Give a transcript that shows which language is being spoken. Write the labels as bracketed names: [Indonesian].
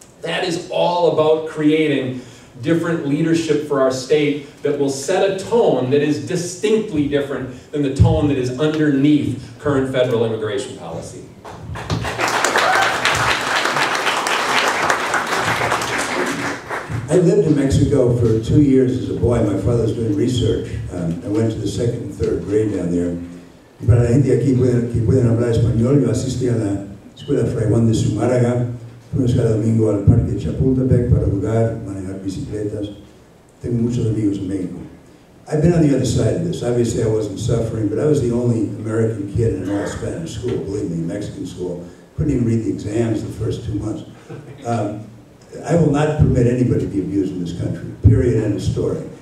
[English] That is all about creating different leadership for our state that will set a tone that is distinctly different than the tone that is underneath current federal immigration policy. I lived in Mexico for 2 years as a boy. My father was doing research. I went to the second and third grade down there. [Spanish] Para la gente aquí que pueden hablar español, yo asistí a la escuela Fray Juan de Zumárraga. Fuimos cada domingo al parque de Chapultepec para jugar, manejar bicicletas. Tengo muchos amigos en México. [English] I've been on the other side of this. Obviously, I wasn't suffering, but I was the only American kid in an all Spanish school, believe me, Mexican school. Couldn't even read the exams the first 2 months. I will not permit anybody to be abused in this country, period, end of story.